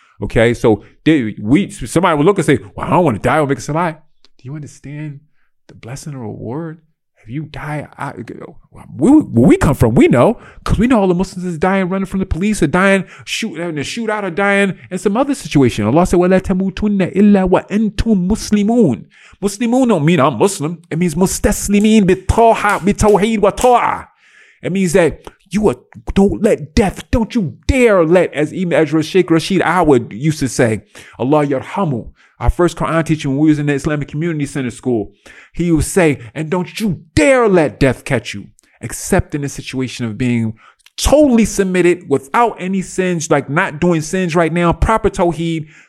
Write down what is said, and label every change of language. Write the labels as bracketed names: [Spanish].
[English] Okay, so somebody would look and say, well, I don't want to die or make a salah. Do you understand the blessing or reward? If you die, where we come from, we know. Because we know all the Muslims is dying, running from the police, or dying, shooting, in a shootout, or dying in some other situation. [Arabic] Allah said, وَلَا تَمُوتُنَّ إِلَّا وَأَنْتُمْ مُسْلِمُونَ. [English] Muslimun don't mean I'm Muslim. It means [Arabic] مُسْتَسْلِمِينَ بِالطَّوْحَ بِالتَوْحِيدِ وَالطَّوْعَ. [English] It means that don't let death, don't you dare let, as Ibn Ezra Sheikh Rashid Awad used to say, Allah yarhamu. Our first Quran teacher when we was in the Islamic Community Center school, he would say, and don't you dare let death catch you, except in a situation of being totally submitted without any sins, like not doing sins right now, proper tawheed.